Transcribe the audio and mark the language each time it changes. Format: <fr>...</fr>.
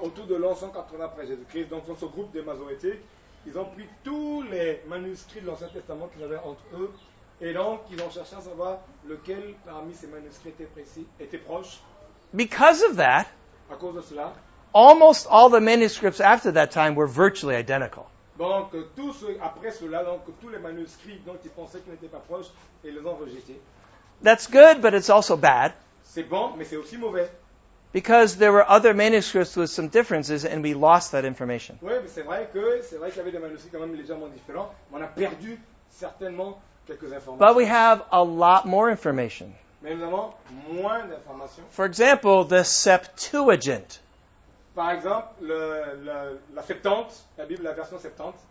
<fr>Autour de l'an 180 après Jésus-Christ, donc dans ce groupe des masorétiques, ils ont pris tous les manuscrits de l'Ancien Testament qu'ils avaient entre eux, et donc ils ont cherché à savoir lequel parmi ces manuscrits était précis, était proche.</fr> <en>Because of that,</en> <fr>à cause de cela,</fr> <en>almost all the manuscripts after that time were virtually identical.</en> <fr>Donc tous après cela, donc tous les manuscrits dont ils pensaient qu'ils n'étaient pas proches, ils les ont rejetés.</fr> <en>That's good, but it's also bad.</en> <fr>C'est bon, mais c'est aussi mauvais.</fr> <en>Because there were other manuscripts with some differences, and we lost that information.</en> <fr>Oui, mais c'est vrai qu'il y avait des manuscrits quand même légèrement différents, mais on a perdu certainement quelques informations.</fr> <en>But we have a lot more information.</en> <fr>Mais nous avons moins d'informations.</fr> <en>For example, the Septuagint.</en> <fr>Par exemple, la Septante, la Bible, la version Septante.</fr>